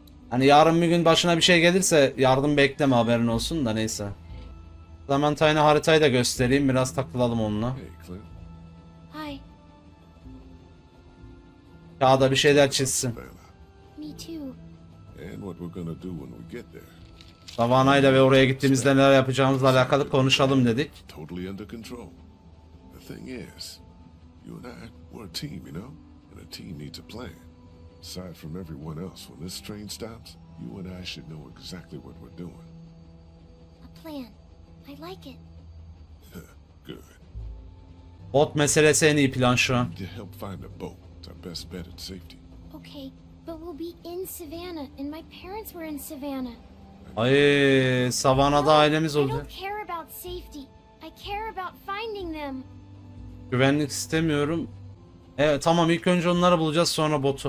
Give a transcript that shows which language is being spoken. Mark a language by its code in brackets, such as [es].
[tr] Hani yarın bir gün başına bir şey gelirse yardım bekleme, haberin olsun da, neyse. Clementine'a haritayı da göstereyim, biraz takılalım onunla. [en] Hi. [tr] Kağıda bir şeyler çizsin. [en] Me too. And what we're gonna do when we get there. [tr] Savannah'yla ve oraya gittiğimizde neler yapacağımızla alakalı konuşalım dedik. [en] Totally under control. The thing is, you and I, we're a team, you know? And a team needs a plan. Aside from everyone else, when this train stops, you and I should know exactly what we're doing. A plan. I like it. Good. [tr] Bot meselesi en iyi plan şu an. [en] To help find a boat, it's our best bet at safety. Okay, but we'll be in Savannah, and my parents were in Savannah. [tr] Ay, Savannah'da ailemiz oldu. [en] I don't care about safety. I care about finding them. [tr] Güvenlik istemiyorum. Evet, tamam, ilk önce onları bulacağız, sonra botu.